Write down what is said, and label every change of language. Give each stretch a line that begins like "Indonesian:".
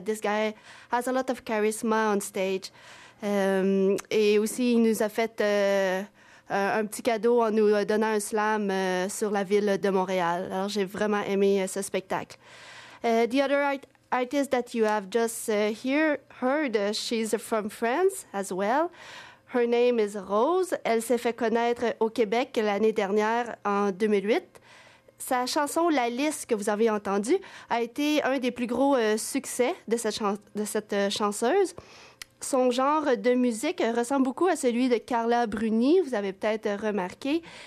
English: This guy has a lot of charisma on stage.
French: Et aussi, il nous a fait un petit cadeau en nous donnant un slam sur la ville de Montréal. Alors, j'ai vraiment aimé ce spectacle.
English: The other artist that you have just heard, she's from France as well. Her name is Rose.
French: Elle s'est fait connaître au Québec l'année dernière, en 2008. Sa chanson « La liste » que vous avez entendue a été un des plus gros succès de cette chanteuse. Son genre de musique ressemble beaucoup à celui de Carla Bruni, vous avez peut-être remarqué.